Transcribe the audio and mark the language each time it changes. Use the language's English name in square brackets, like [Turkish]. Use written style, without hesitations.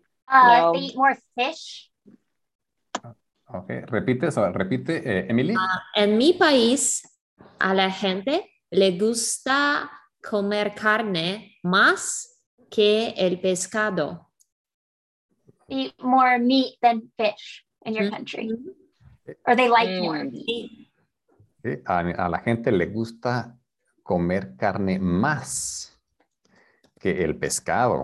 [English] No. They eat more fish. Okay, [Spanish] repite, [English] Emily. [Spanish] En mi país, a la gente le gusta comer carne más que el pescado. [English] Eat more meat than fish in your country. Mm-hmm. Or they like more meat. Okay. [Spanish] A la gente le gusta comer carne más que el pescado.